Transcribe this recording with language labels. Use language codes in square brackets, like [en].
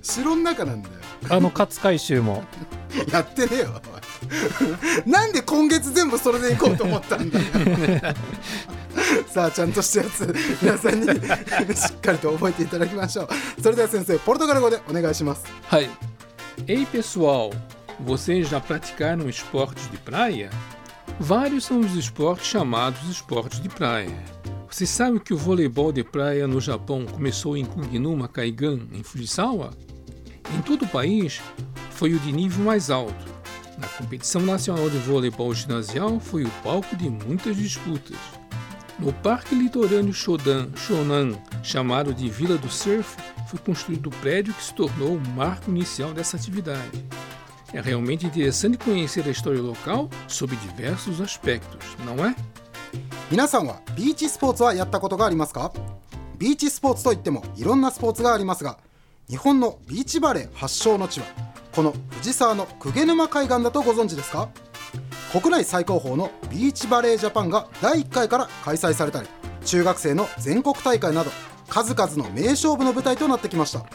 [ja] 城の中なんだよ。あの勝海舟もやってねえよなんで今月全部それで行こうと思ったんだよさあちゃんとしたやつ皆さんにしっかりと覚えていただきましょう。それでは先生ポルトガル語でお願いします。 [pt] はい、Ei pessoal, vocês já praticaram esportes de praia? Vários são os esportes chamados esportes de praia. Você sabe que o voleibol de praia no Japão começou em Kuginuma Kaigan, em Fujisawa? Em todo o país, foi o de nível mais alto. Na competição nacional de voleibol ginasial, foi o palco de muitas disputas. No parque litorâneo Shonan, chamado de Vila do Surf, foi construído o prédio que se tornou o marco inicial dessa atividade. É realmente interessante conhecer a história local sob diversos aspectos, não é? [ja] 皆さんはビーチスポーツはやったことがありますか？ビーチスポーツといってもいろんなスポーツがありますが、日本のビーチバレー発祥の地はこの藤沢の鵠沼海岸だとご存知ですか？国内最高峰のビーチバレージャパンが第1回から開催されたり、中学生の全国大会など数々の名勝負の舞台となってきました。